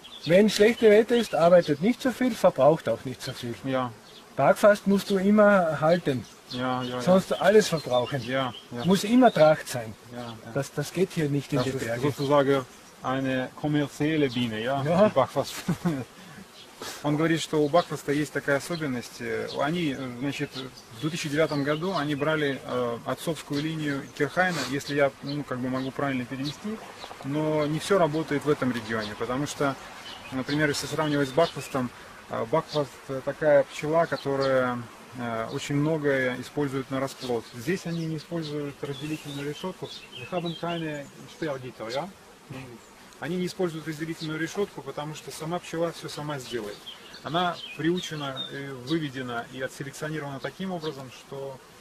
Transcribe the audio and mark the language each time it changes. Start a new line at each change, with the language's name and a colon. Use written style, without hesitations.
German: Wenn schlechte Wetter ist, arbeitet nicht so viel, verbraucht auch nicht so viel. Ja. Parkfast musst du immer halten, sonst alles verbrauchen. Ja, ja. Muss immer Tracht sein. Ja, ja. Das geht hier nicht in das die Berge. Das ist sozusagen eine kommerzielle Biene, ja, ja. Die Parkfast.
Russian: Он говорит, что у Бакфаста есть такая особенность. Они, значит, в 2009 году они брали отцовскую линию Кирхайна, если я как бы могу правильно перевести, но не все работает в этом регионе, потому что, например, если сравнивать с Бакфастом, Бакфаст такая пчела, которая очень многое использует на расплод. Здесь они не используют разделительную решетку.
German: Wir haben keine Sperrgitter, ja?
Russian: Они не используют разделительную решетку, потому что сама пчела все сама сделает. Она приучена, выведена и отселекционирована таким образом, что...